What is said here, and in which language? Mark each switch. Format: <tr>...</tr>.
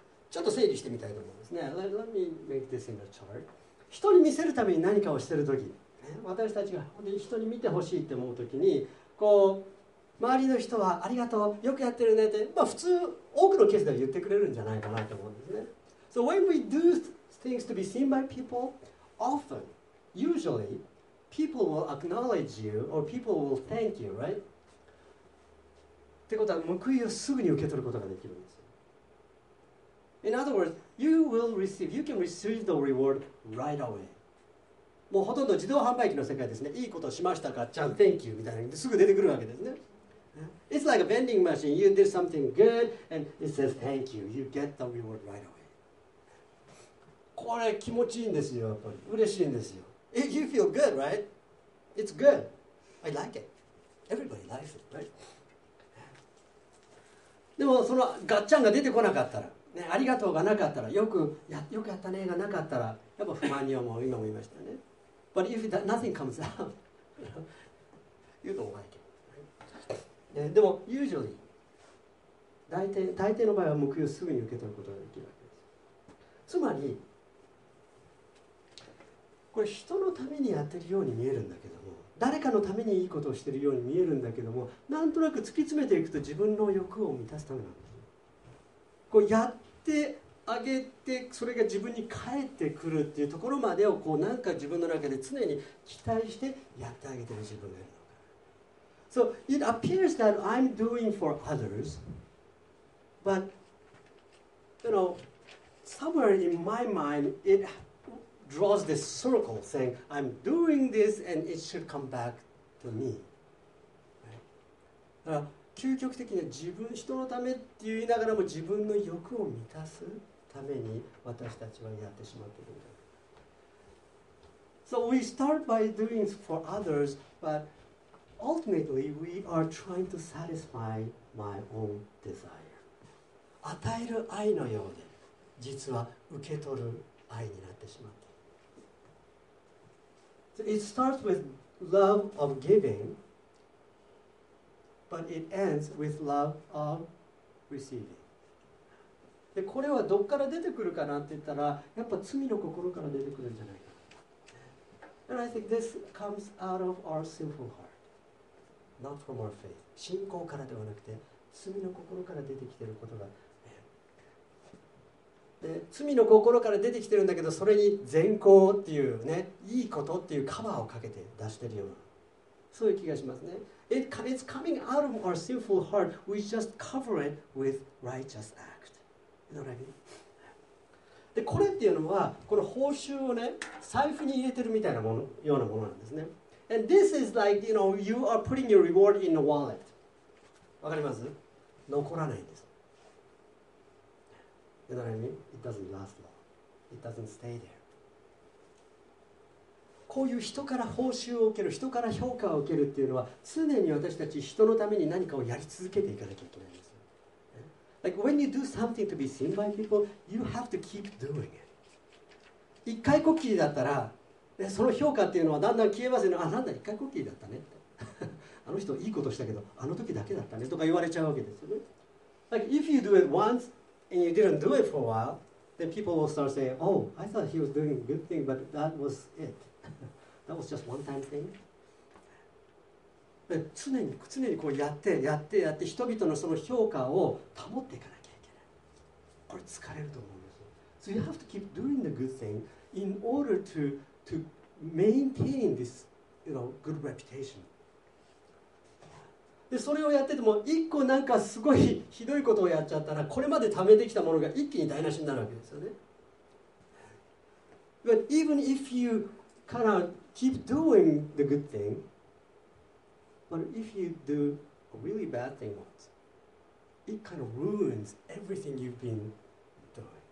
<ja>ちょっと整理してみたいと思うんですね。</ja> <en>Let me make this in a chart.</en> <ja>人に見せるために何かをしているとき、私たちが人に見てほしいって思うときに、こう、周りの人はありがとう、よくやってるねって、まあ普通、多くのケースでは言ってくれるんじゃないかなと思うんですね。</ja> <en>So when we do things to be seen by people, often, usually, people will acknowledge you or people will thank you, right?</en> <ja>ってことは、報いをすぐに受け取ることができるんです。</ja> <en>In other words, you will receive, you can receive the reward right away.</en> <ja>もうほとんど自動販売機の世界ですね。いいことをしましたか、じゃん、</ja> <en>thank you</en> <ja>みたいな、すぐ出てくるわけですね。</ja> <en>It's like a vending machine. You did something good, and it says thank you. You get the reward right away.</en> <ja>これ気持ちいいんですよ、やっぱり。嬉しいんですよ。</ja> <en>You feel good, right? It's good. I like it. Everybody likes it, right?</en> <ja>でもそのガッチャンが出てこなかったら、ね、ありがとうがなかったら、よくやったねがなかったら、やっぱ不満に思う、今も言いましたね。</ja> <en>But if nothing comes out, you don't like it.</en> <ja>でも、usually、大抵の場合は報いをすぐに受け取ることができるわけです。つまり、これ人のためにやってるように見えるんだけども、誰かのためにいいことをしているように見えるんだけども、なんとなく突き詰めていくと自分の欲を満たすためなんです。こうやってあげて、それが自分に返ってくるっていうところまでをこうなんか自分の中で常に期待してやってあげてる自分がいる。</ja> <en>So it appears that I'm doing for others, but you know, somewhere in my mind, it draws this circle saying, I'm doing this and it should come back to me. Right?</en> <ja>だから究極的には自分、人のためって言いながらも自分の欲を満たすために私たちはやってしまっているんだ。</ja> <en>So we start by doing for others, butUltimately, we are trying to satisfy my own desire.</en> <ja>与える愛のようで、実は受け取る愛になってしまった。</ja> <en>So it starts with love of giving, but it ends with love of receiving.</en> <ja>で、これはどこから出てくるかなって言ったら、やっぱ罪の心から出てくるんじゃないか。</ja> <en>And I think this comes out of our sinful heart. Not from our faith.</en> <ja>信仰からではなくて罪の心から出てきていることが、で罪の心から出てきているんだけど、それに善行っていうね、いいことっていうカバーをかけて出しているような、そういう気がしますね。</ja> <en>It's coming out of our sinful heart. We just cover it with righteous act. You know what I mean?</en> <ja>でこれっていうのはこの報酬をね、財布に入れてるみたいなものようなものなんですね。</ja> <en>And this is like, you know, you are putting your reward in the wallet.</en> <ja>わかります？残らないんです。</ja> <en>You know what I mean? It doesn't last long. It doesn't stay there.</en> <ja>こういう人から報酬を受ける、人から評価を受けるっていうのは、常に私たち人のために何かをやり続けていかなきゃいけないんです。</ja> <en>Like when you do something to be seen by people, you have to keep doing it.</en> <ja>一回こっきりだったら、その評価っていうのはだんだん消えますよね。あ、なんだ、一回こっきりだったねって。あの人いいことしたけど、あの時だけだったねとか言われちゃうわけですよね。</ja> <en>Like if you do it once and you didn't do it for a while, then people will start saying, oh, I thought he was doing a good thing, but that was it. That was just one time thing.</en> <ja>常にこうやってやってやって人々のその評価を保っていかなきゃいけない。これ疲れると思うんですよ。</ja> <en>So you have to keep doing the good thing in order to maintain this, you know, good reputation.</en> <ja>でそれをやってても一個なんかすごいひどいことをやっちゃったらこれまで貯めてきたものが一気に台無しになるわけですよね。</ja> <en>But even if youKind of keep doing the good thing, but if you do a really bad thing once, it kind of ruins everything you've been doing.</en>